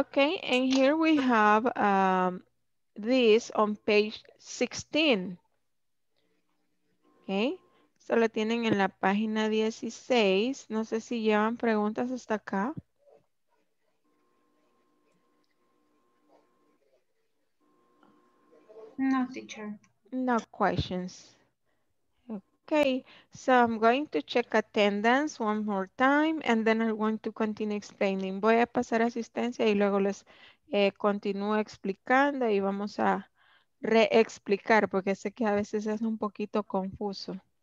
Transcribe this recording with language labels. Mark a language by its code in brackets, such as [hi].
[en] Okay, and here we have this on page 16. [es] Okay, so lo tienen en la página 16. No sé si llevan preguntas hasta acá. [en] No, teacher. No questions. Okay, so I'm going to check attendance one more time and then I want to continue explaining. [es] Voy a pasar asistencia y luego les continúo explicando y vamos a reexplicar porque sé que a veces es un poquito confuso.